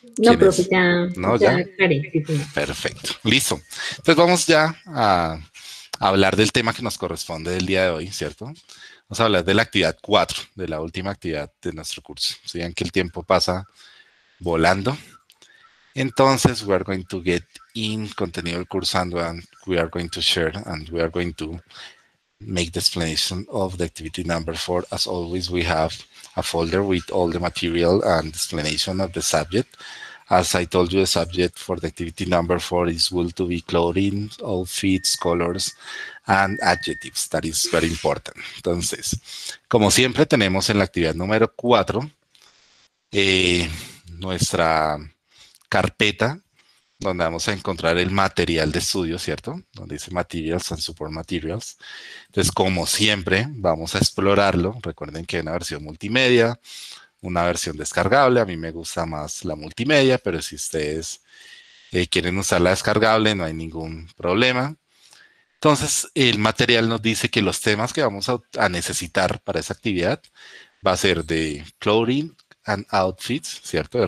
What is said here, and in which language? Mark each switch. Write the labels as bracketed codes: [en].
[es] No, profe, ya. No, ya. Perfecto. Listo. Entonces vamos ya a hablar del tema que nos corresponde del día de hoy, ¿cierto? Vamos a hablar de la actividad 4, de la última actividad de nuestro curso. Se vean que el tiempo pasa volando. [en] Entonces, we are going to get in [es] contenido del curso [en] and we are going to share and we are going to make the explanation of the activity number 4. As always, we have a folder with all the material and explanation of the subject. As I told you, the subject for the activity number 4 is will to be clothing, outfits, colors, and adjectives. That is very important. [es] Entonces, como siempre tenemos en la actividad número 4, nuestra carpeta donde vamos a encontrar el material de estudio, ¿cierto? Donde dice materials and support materials. Entonces, como siempre, vamos a explorarlo. Recuerden que hay una versión multimedia, una versión descargable. A mí me gusta más la multimedia, pero si ustedes quieren usar la descargable, no hay ningún problema. Entonces, el material nos dice que los temas que vamos a necesitar para esa actividad va a ser de clothing and outfits, ¿cierto?